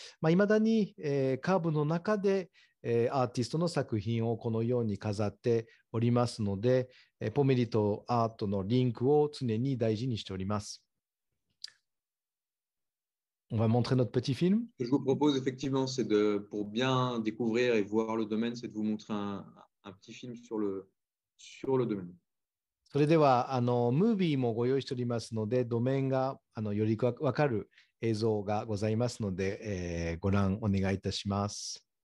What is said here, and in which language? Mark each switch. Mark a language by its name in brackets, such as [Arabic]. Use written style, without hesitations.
[Japanese] まあ、未だに、カーブの中で、アーティストの作品をこのように飾っておりますので、ポメリとアートのリンクを常に大事にしております。 [French] On va montrer notre petit film. Ce que je vous propose effectivement, c'est de, pour bien découvrir et voir le domaine, c'est de vous montrer un petit film sur le domaine. [Japanese] それではムービーもご用意しておりますので、ドメインがよりわかる映像がございますので、ご覧お願いいたします。